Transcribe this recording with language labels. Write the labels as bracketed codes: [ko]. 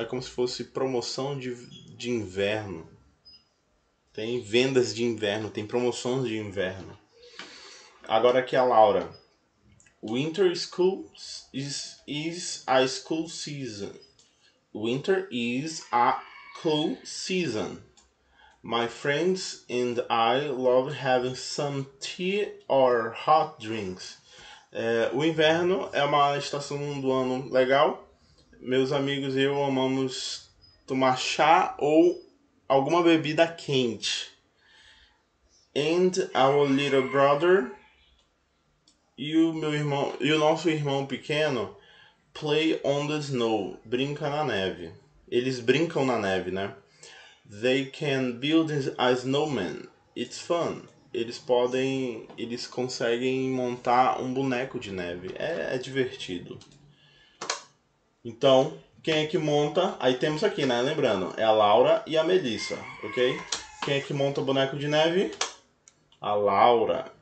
[pt] É como se fosse promoção de inverno. Tem vendas de inverno, tem promoções de inverno. Agora aqui é a Laura. [en] Winter school is a school season. Winter is a cool season. My friends and I love having some tea or hot drinks. [pt] O inverno é uma estação do ano legal. Meus amigos e eu amamos tomar chá ou alguma bebida quente. [en] And our little brother [pt] e o nosso irmão pequeno [en] play on the snow, [pt] brinca na neve. Eles brincam na neve, né? [en] They can build a snowman. It's fun. [pt] Eles conseguem montar um boneco de neve. É divertido. Então, quem é que monta? Aí temos aqui, né? Lembrando, é a Laura e a Melissa, ok? Quem é que monta o boneco de neve? A Laura.